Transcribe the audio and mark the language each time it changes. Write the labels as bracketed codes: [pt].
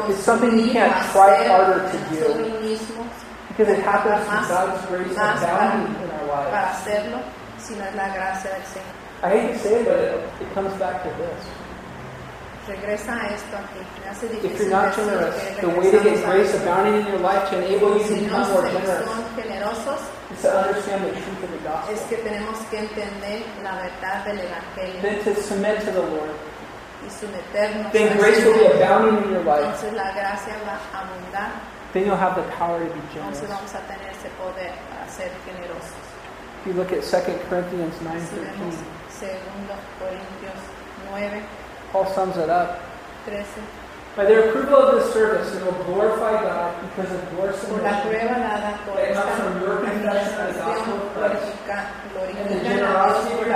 [en] It's something you can't try harder to do. Because it happens through God's grace abounding in our lives. I hate to say it, but it comes back to this. [es] Regresa esto aquí. Me hace difícil. [en] If you're not generous, the way to get grace abounding in your life to enable you to become more generous is to understand the truth of the gospel. [es] Es que tenemos que entender la verdad del evangelio. [en] Then to submit to the Lord. [es] Y someternos. [en] Then grace will be abounding in your life. [es] Entonces la gracia va a abundar. [en] Then you'll have the power to be generous. [es] Entonces vamos a tener ese poder para ser generosos. [en] If you look at 2 Corinthians 9:13, Paul sums it up. 13. By the approval of this service, it will glorify God because of your submission. It comes from your confession of the gospel of Christ and the generosity of your